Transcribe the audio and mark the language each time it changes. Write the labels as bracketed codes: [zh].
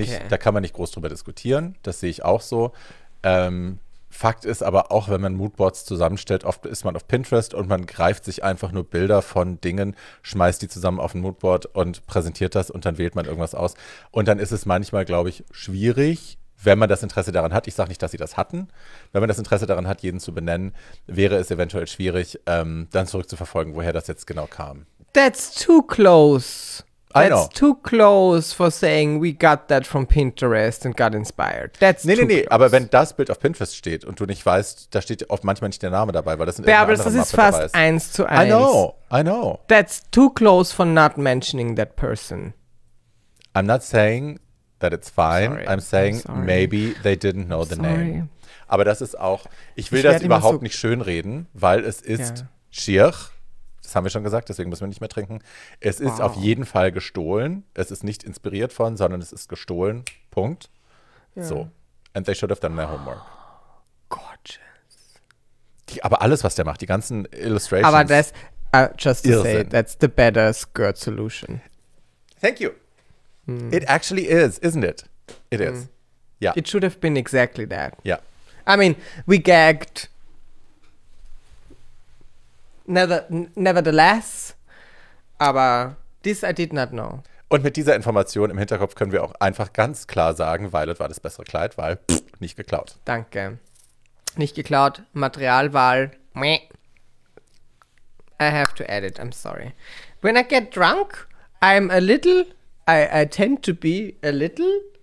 [de] Da kann man nicht groß drüber diskutieren. Das sehe ich auch so. Fakt ist aber auch, wenn man Moodboards zusammenstellt, oft ist man auf Pinterest und man greift sich einfach nur Bilder von Dingen, schmeißt die zusammen auf ein Moodboard und präsentiert das und dann wählt man irgendwas aus. Und dann ist es manchmal, glaube ich, schwierig, wenn man das Interesse daran hat, ich sage nicht, dass sie das hatten, wenn man das Interesse daran hat, jeden zu benennen, wäre es eventuell schwierig, dann zurückzuverfolgen, woher das jetzt genau kam. [en] That's too close. I know. That's too close for saying we got that from Pinterest and got inspired. That's Close. [de] Aber wenn das Bild auf Pinterest steht und du nicht weißt, da steht oft manchmal nicht der Name dabei, weil das sind irgendeine andere Mappe dabei. Bärbel, das ist fast 1:1. [en] I know. That's too close for not mentioning that person. I'm not saying that it's fine. Sorry. I'm saying maybe they didn't know the name. [de] Aber das ist auch, ich will das überhaupt nicht schönreden, weil es ist schier. Das haben wir schon gesagt, deswegen müssen wir nicht mehr trinken. Es ist auf jeden Fall gestohlen. Es ist nicht inspiriert von, sondern es ist gestohlen. Punkt. Yeah. So. [en] And they should have done their homework. Gorgeous. [de] Aber alles, was der macht, die ganzen Illustrations. [en] Aber das, just to Irrsinn. Say, that's the better skirt solution. Thank you. It actually is, isn't it? It is. Yeah. It should have been exactly that. Yeah. I mean, we gagged. Nevertheless, [de] aber [en] this I did not know. [de] Und mit dieser Information im Hinterkopf können wir auch einfach ganz klar sagen, Violet war das bessere Kleid, weil nicht geklaut. Danke. Nicht geklaut, Materialwahl. [en] I have to add it, I'm sorry. When I get drunk, I'm a little, I tend to be a little.